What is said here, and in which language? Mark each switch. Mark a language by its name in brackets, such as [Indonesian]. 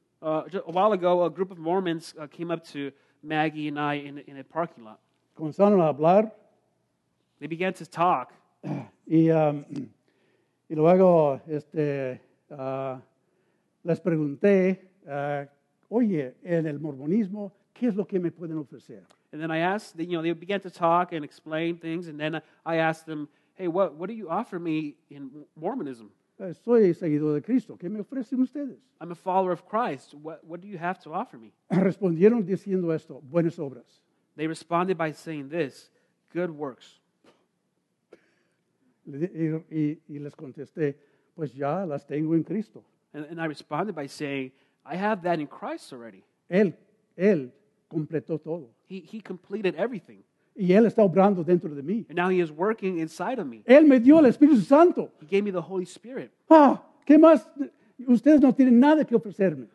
[English] A while ago, a group of Mormons came up to Maggie and I in a parking lot. [Spanish] Comenzaron a hablar. [English] They began to talk. [Spanish] Y luego les pregunté, oye, en el mormonismo, ¿qué es lo que me pueden ofrecer? [English] And then I asked, you know, they began to talk and explain things, and then I asked them, hey, what do you offer me in Mormonism? [Spanish] Soy seguidor de Cristo. ¿Qué me ofrecen ustedes? [English] I'm a follower of Christ. What do you have to offer me? [Spanish] Respondieron diciendo esto, buenas obras. [English] They responded by saying this, good works. [Spanish] Y les contesté, pues ya las tengo en Cristo. [English] And I responded by saying, I have that in Christ already. [Spanish] Él completó todo. [English] He completed everything. [Spanish] Y él está obrando dentro de mí. [English] And now he is working inside of me. [Spanish] Él me dio el Espíritu Santo. [English] He gave me the Holy Spirit. [Spanish] Ah, ¿qué más? Ustedes no tienen nada que ofrecerme.